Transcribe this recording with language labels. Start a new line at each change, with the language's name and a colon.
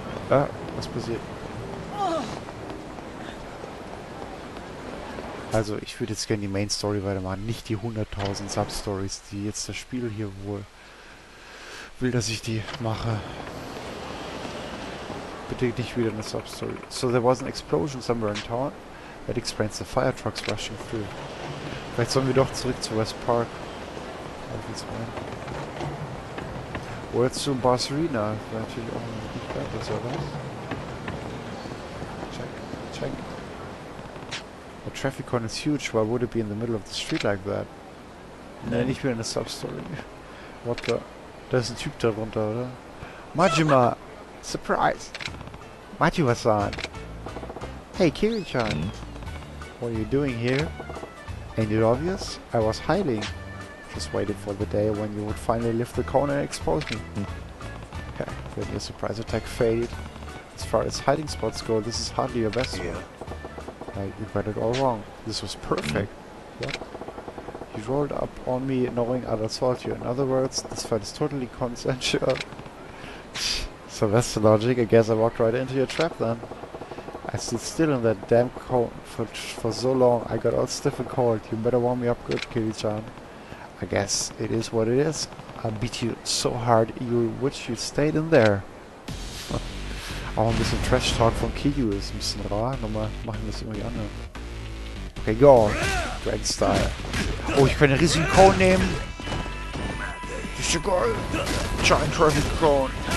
German: Ah, was passiert? Also, ich würde jetzt gerne die Main Story weitermachen, nicht die 100.000 Sub-Stories, die jetzt das Spiel hier wohl will, dass ich die mache. Bitte nicht wieder eine Sub-Story. So, there was an explosion somewhere in town. That explains the fire trucks rushing through. Vielleicht sollen wir doch zurück zu West Park. Oder zu Bars Arena. Wäre natürlich auch nicht bad, das oder was?
English: Check, check. The traffic cone is huge. Why would it be in the middle of the street like that?
German: Nein, nicht wieder eine Sub-Story.
English: What the?
German: Da ist ein Typ darunter, oder?
English: Majima! Surprise! Majima-san! Hey, Kiri-chan! What are you doing here? Ain't it obvious? I was hiding. Just waited for the day when you would finally lift the cone and expose me. Yeah, when your surprise attack failed. As far as hiding spots go, this is hardly your best one. You got it all wrong. This was perfect. What? You rolled up on me knowing I'd assault you. In other words, this fight is totally consensual. So that's the logic. I guess I walked right into your trap then. I stood still in that damn cone for so long. I got all stiff and cold. You better warm me up good, Kiri-chan. I guess it is what it is. I beat you so hard you wish you stayed in there.
German: Auch ein bisschen Trash-Talk von Kiyu ist ein bisschen rar. Nochmal machen wir es irgendwie anders. Okay, go! Dragon Style. Oh, ich kann einen riesigen Cone nehmen! Das ist ja geil!
English: Giant Traffic Cone!